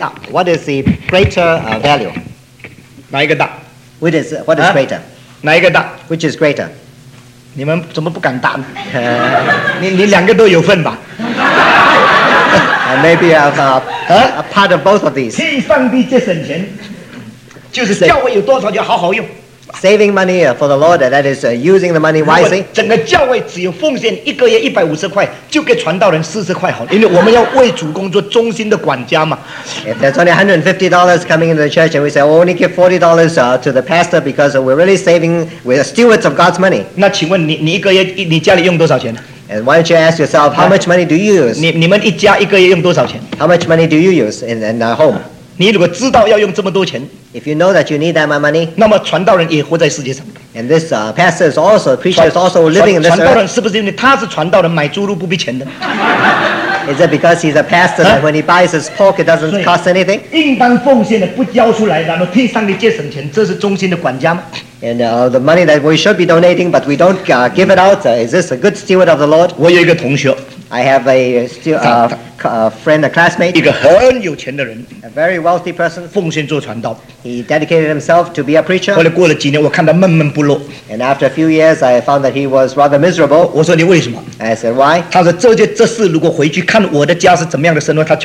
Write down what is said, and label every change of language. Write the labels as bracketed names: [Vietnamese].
[English] what is the greater value? [Chinese] 哪一个大? [English] What is greater? [Chinese] 哪一个大? [English] Which is greater? [Chinese] 你们怎么不敢答呢?你两个都有份吧? [English] Maybe a part of both of these. [Chinese] 替上帝节省钱, 就是教会有多少就好好用。 [English] Saving money for the Lord, that is using the money wisely. [Chinese] 整个教会只有奉献一个月150块, 就给传道人40块好, 因为我们要为主工作忠心的管家嘛。 [English] If there's only $150 coming into the church, and we say, only give $40 to the pastor because we're really saving, we're stewards of God's money. [Chinese] 那请问你家里用多少钱? [English] And why don't you ask yourself, how much money do you use? [Chinese] 你们一家一个月用多少钱? [English] How much money do you use in our home? [Chinese] 你如果知道要用这么多钱, [English] if you know that you need that my money, [Chinese] 那么传道人也活在世界上, [English] and this pastor is also, preacher is also living in this earth. [Chinese] 传道人是不是因为他是传道人, 买猪肉不必钱的? [English] Is it because he's a pastor that when he buys his pork it doesn't cost anything? [Chinese] 应当奉献的不交出来, 然后替上帝节省钱, 这是忠心的管家吗? [English] And the money that we should be donating but we don't give it out, is this a good steward of the Lord? [Chinese] 我有一个同学, [English] I have a friend, a classmate, [Chinese] 一个很有钱的人, [English] a very wealthy person, [Chinese] 奉献做传道, [English] he dedicated himself to be a preacher. [Chinese] 后来过了几年, 我看他闷闷不乐, [English] and after a few years, I found that he was rather miserable. [Chinese] 我说你为什么? [English] I said, why? [Chinese] 他说这些这事如果回去看我的家是怎么样的生活,